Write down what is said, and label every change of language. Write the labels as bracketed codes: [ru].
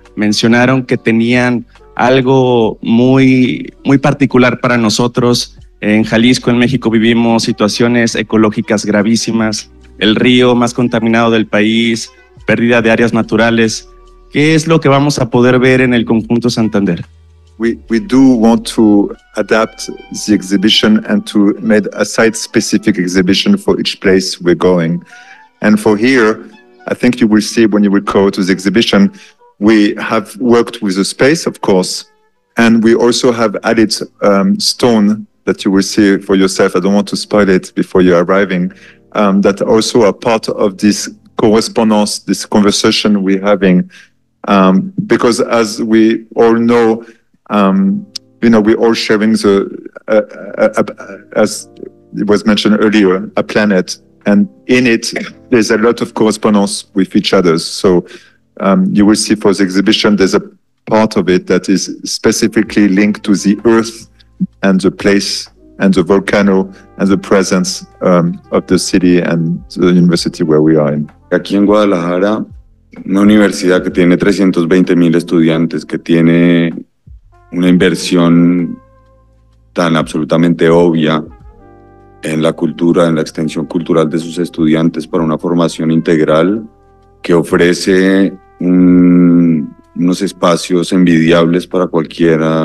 [es] Mencionaron que tenían algo muy, muy particular para nosotros. En Jalisco, en México, vivimos situaciones ecológicas gravísimas. El río más contaminado del país, pérdida de áreas naturales. ¿Qué es lo que vamos a poder ver en el conjunto Santander? [en] We do want to adapt the exhibition and to make a site-specific exhibition for each place we're going. And for here, I think you will see when you will go to the exhibition, we have worked with the space, of course, and we also have added stone that you will see for yourself. I don't want to spoil it before you're arriving, that also are part of this correspondence, this conversation we're having. Because as we all know, you know, we're all sharing the, as it was mentioned earlier, a planet, and in it, there's a lot of correspondence with each other. So you will see for the exhibition, there's a part of it that is specifically linked to the earth and the place and the volcano and the presence of the city and the university where we are in. [es] Aquí en Guadalajara, una universidad que tiene 320 mil estudiantes, que tiene una inversión tan absolutamente obvia en la cultura, en la extensión cultural de sus estudiantes para una formación integral que ofrece unos espacios envidiables para cualquier